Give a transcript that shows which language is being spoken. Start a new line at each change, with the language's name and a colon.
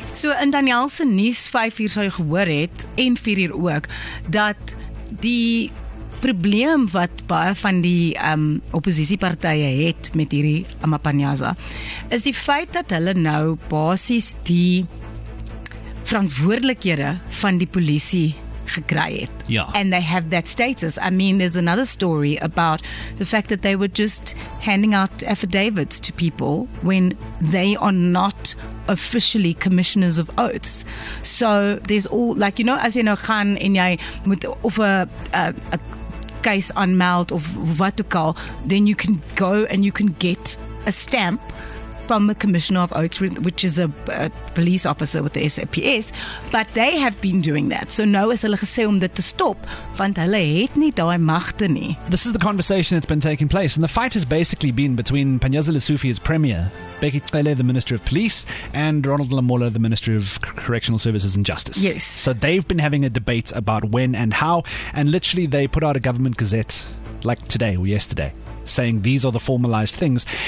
Afrikaans: So in Daniel se nuus 5 uur sou jy gehoor het, en 4 uur ook, dat die probleem wat baie van die oppositiepartye het met hierdie Amapanyaza, is die feit dat hulle nou basies die verantwoordelikhede van die polisie gekry het. Ja.
English: And they have that status. I mean, there's another story about the fact that they were just handing out affidavits to people when they are not officially commissioners of oaths. So there's all, like, you know, as you know,
Afrikaans: gaan en jy moet
English: of a case
Afrikaans: aanmeld of wat ook al,
English: then you can go and you can get a stamp from the commissioner of oaths, which is a police officer with the SAPS. But they have been doing that.
Afrikaans: So nou is hulle gesê om dit te stop, want hulle het nie daai magte nie.
English: This is the conversation that's been taking place, and the fight has basically been between Panyaza Lesufi as premier, Becky Cele, the Minister of Police, and Ronald Lamola, the Minister of Correctional Services and Justice. Yes. So they've been having a debate about when and how, and literally they put out a government gazette like today or yesterday saying these are the formalized things.